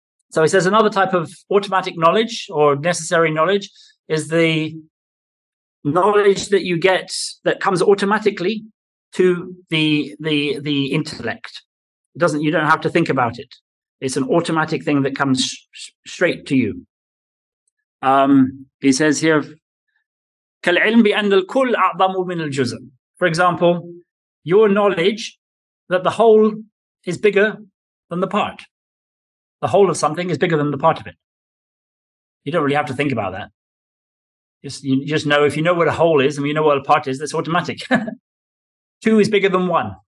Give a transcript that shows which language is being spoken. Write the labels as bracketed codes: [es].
[en] So he says another type of automatic knowledge or necessary knowledge is the knowledge that you get that comes automatically to the intellect. You don't have to think about it. It's an automatic thing that comes straight to you. He says here, [ar] كَالْعِلْمْ بِأَنَّ الْكُلْ أَعْضَمُ مِنَ الْجُزْءِ. [en] For example, your knowledge that the whole is bigger than the part. The whole of something is bigger than the part of it. You don't really have to think about that. You just know, if you know what a whole is and you know what a part is, that's automatic. Two is bigger than one.